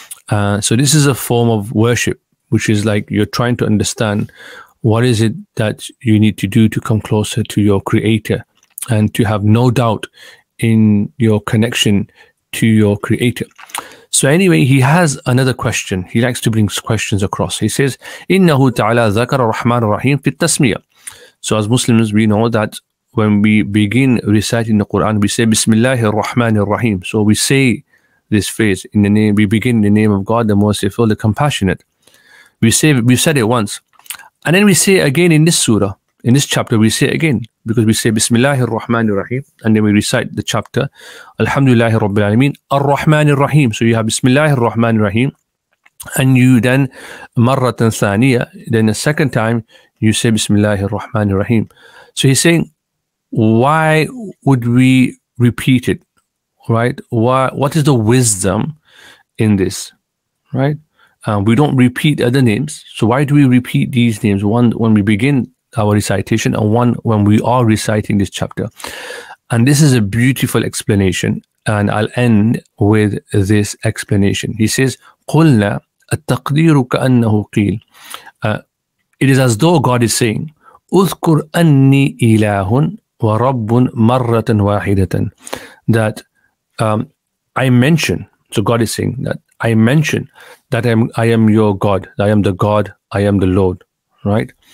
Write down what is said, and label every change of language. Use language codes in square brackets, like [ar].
[en] So this is a form of worship, which is like you're trying to understand what is it that you need to do to come closer to your Creator and to have no doubt in your connection to your Creator. So anyway, he has another question. He likes to bring questions across. He says, [ar] إِنَّهُ تَعَلَىٰ ذَكَرَ الرَّحْمَنَ الرَّحِيمِ فِي التَّسْمِيَةِ. [en] So as Muslims, we know that when we begin reciting the Quran, we say, [ar] بِسْمِ اللَّهِ الرَّحْمَنِ الرَّحِيمِ. [en] So we say this phrase, in the name, we begin in the name of God, the Merciful, the Compassionate. We said it once. And then we say it again in this surah, in this chapter, we say it again. Because we say Bismillahir Rahmanir Rahim, and then we recite the chapter Alhamdulillahi Rabbil Alameen Ar-Rahmanir Rahim. So you have Bismillahir Rahmanir Rahim, and you then [ar] Marratan Thaniya, [en] then a second time you say Bismillahir Rahmanir Rahim. So he's saying, why would we repeat it, right? Why? What is the wisdom in this, right? We don't repeat other names, so why do we repeat these names when we begin our recitation, and one when we are reciting this chapter? And this is a beautiful explanation, and I'll end with this explanation. He says, [ar] قُلْنَا التَّقْدِيرُ كَأَنَّهُ قِيلٌ. [en] It is as though God is saying, [ar] أُذْكُرْ أَنِّي إِلَهٌ وَرَبٌ مَرَّةً وَاحِدَةً. [en] That I mention, so God is saying that, I mention that I am your God, I am the God, I am the Lord, right?